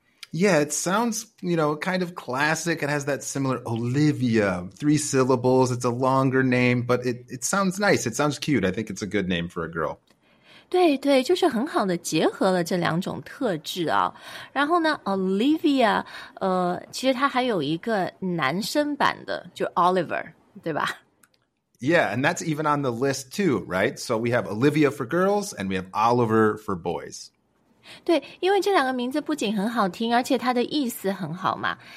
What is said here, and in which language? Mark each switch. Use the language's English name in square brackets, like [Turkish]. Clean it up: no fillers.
[English] Yeah, it sounds, you know, kind of classic. It has that similar Olivia, three syllables. It's a longer name, but it sounds nice. It sounds cute. I think it's a good name for a girl. [Chinese] 对对，就是很好的结合了这两种特质啊。然后呢 ，Olivia， 其实它还有一个男生版的，就 Oliver， 对吧 [English] ？Yeah, and that's even on the list too, right? So we have Olivia for girls, and we have Oliver for boys. [Chinese] 对，因为这两个名字不仅很好听，而且它的意思很好嘛。